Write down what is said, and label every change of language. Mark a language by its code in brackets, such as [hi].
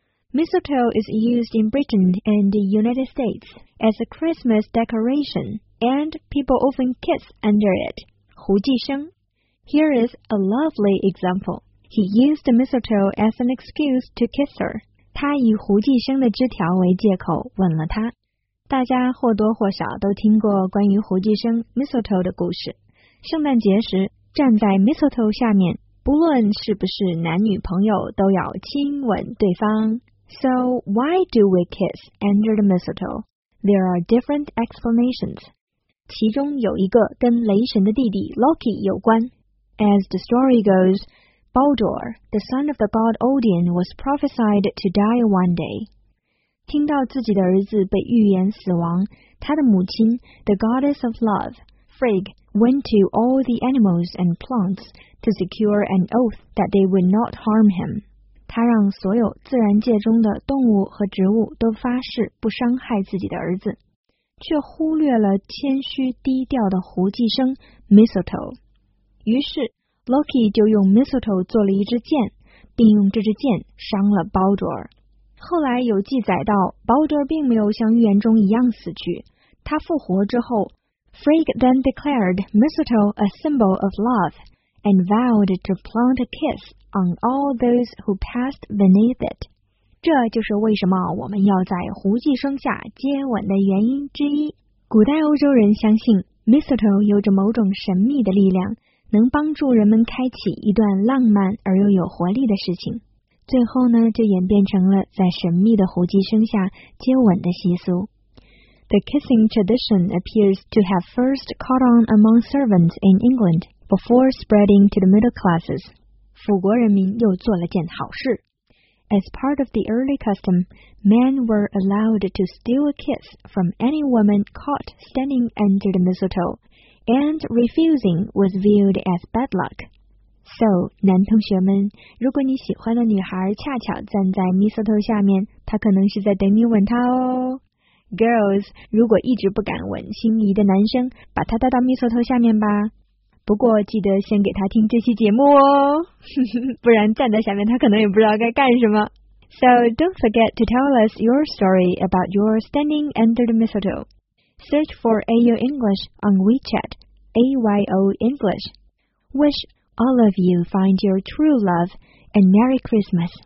[en] Mistletoe is used in Britain and the United States as a Christmas decoration, and people often kiss under it. [zh] 胡寄生. [en] Here is a lovely example. He used the mistletoe as an excuse to kiss her. [zh] 他以胡寄生的枝条为借口吻了她。大家或多或少都听过关于胡寄生 mistletoe 的故事。圣诞节时，站在 mistletoe 下面，不论是不是男女朋友，都要亲吻对方。 [en] So why do we kiss under the mistletoe? There are different explanations. [zh] 其中有一个跟雷神的弟弟 Loki 有关。 [en] As the story goes, Baldur, the son of the god Odin, was prophesied to die one day. [zh] 听到自己的儿子被预言死亡，他的母亲 [en] ,the goddess of love, Frigg, went to all the animals and plants to secure an oath that they would not harm him. [zh] 他让所有自然界中的动物和植物都发誓不伤害自己的儿子，却忽略了谦虚低调的胡寄生 ,mistletoe. 于是 ,Loki 就用 mistletoe 做了一支箭，并用这支箭伤了 Baldur. 后来有记载到 ,Baldur 并没有像预言中一样死去。他复活之后 [en] ,Frigg then declared mistletoe a symbol of love and vowed to plant a kiss on all those who passed beneath it. [zh] 这就是为什么我们要在胡寄生下接吻的原因之一。古代欧洲人相信 mistletoe 有着某种神秘的力量，能帮助人们开启一段浪漫而又有活力的事情。最后呢，就演变成了在神秘的胡寄生下接吻的习俗。 [en] The kissing tradition appears to have first caught on among servants in England before spreading to the middle classes. [zh] 辅国人民又做了件好事。 [en] As part of the early custom, men were allowed to steal a kiss from any woman caught standing under the mistletoe, and refusing was viewed as bad luck. So, [zh] 男同学们，如果你喜欢的女孩恰巧站在 mistletoe 下面，她可能是在等你吻她哦。 [en] Girls, [zh] 如果一直不敢吻心仪的男生，把他带到 mistletoe 下面吧。不过记得先给他听这期节目哦，不然站在下面他可能也不知道该干什么。 [en] So, don't forget to tell us your story about your standing under the mistletoe. Search for AU English on WeChat, AYO English. Wish...All of you find your true love, and Merry Christmas!